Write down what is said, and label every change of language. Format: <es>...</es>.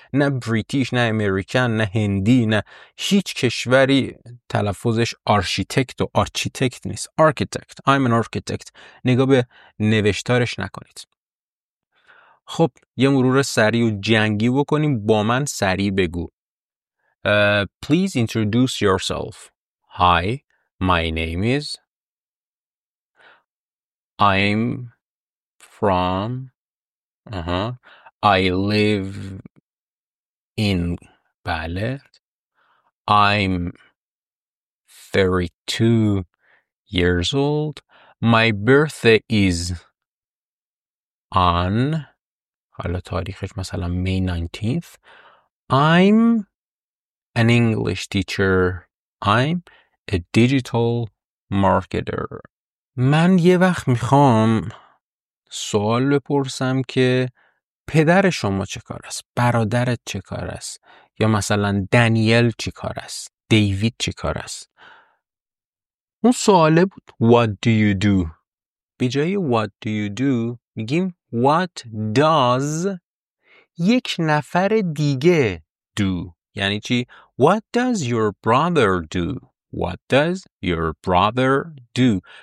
<fa>نه بریتیش نه امریکن نه هندی نه هیچ کشوری تلفظش آرشیتکت و آرشیتکت نیست. آرکیتکت.</fa> <en>I'm an architect.</en> <fa>نگاه به نوشتارش نکنید. خب یه مرور سریع و جنگی بکنیم. با من سریع بگو.</fa> <en>Please introduce yourself. Hi, my name is, I'm from, I live in Ballet, I'm 32 years old, my birthday is on,</en> <fa>حالا تاریخش مثلا</fa> <en>May 19th, I'm an English teacher, I'm a digital marketer.</en> <fa>من یه وقت میخوام سوال بپرسم که پدر شما چه کار است؟ برادرت چه کار است؟ یا مثلا دانیل چه کار است؟ دیوید چه کار است؟ اون سواله بود</fa> <en>What do you do؟</en> <fa>به جای What do you do؟ میگیم What does یک نفر دیگه do؟ یعنی چی؟</fa> <en>What does your brother do؟</en> <fa>What does your brother do?</fa>